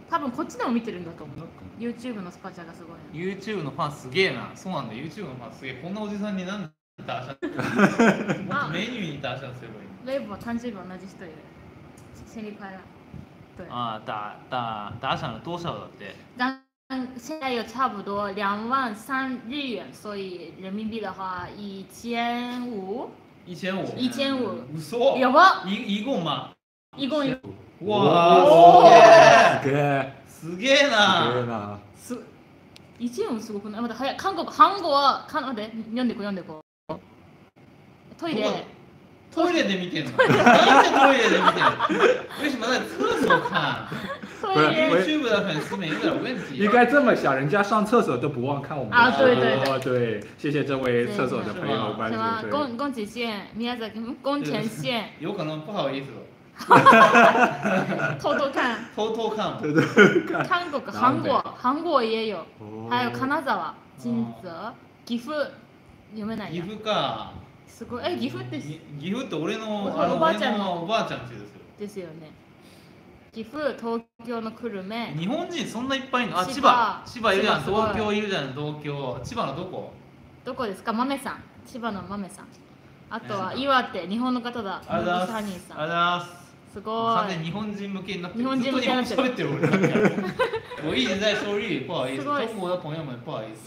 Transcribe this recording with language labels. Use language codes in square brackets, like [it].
[ja] 多分こっちでも見てるんだと思う。YouTube のスパチャがすごい。 YouTube のファンすげえな。そうなんだ。YouTube のファンすげえ。こんなおじさんになんだアシャン。メニューにダアシャンすればいい。レイブは誕生日同じ人いる。セリファラ。ああ、ダアシャンの当社だって。 [zh] 现在有差不多23,000日元，所以人民币的话1500。 1500。 1500。 [ja] 嘘。やば。 [zh] 一共吗？一共一。哇。 [ja] すげえ。すげえ。すげえな。すげえな。す。一千五すごくない？まだ早い。韓国は韓で読んでこ読んでこ。トイレ。トイレで見てんの？なんでトイレで見てんの？ [zh] 为什么在厕所看？ YouTube 的粉丝们有点问题。应该这么想，人家上厕所都不忘看我们。啊，对对对，对，谢谢这位厕所的朋友关注。什么？宫崎县，宮崎，宫崎县。有可能不好意思。偷偷看。偷偷看。偷偷看。韩国也有，还有金沢、金泽、岐阜，有没有？ [ja] 岐阜か。すごい。え、岐阜って。岐阜って俺の、あの、おばあちゃんの、おばあちゃんちですよ。ですよね。岐阜、東京の久留米。日本人そんないっぱいいるの？あ、千葉いるじゃん。東京いるじゃん。東京。千葉のどこ？どこですか？豆さん。千葉の豆さん。あとは岩手、日本の方だ。ありがとうございます。ありがとうございます。すごい。完全に日本人向けになってる。ずっと日本語喋ってる俺。 [zh] 我一直在说日语，不好意思。中国的朋友们，不好意思。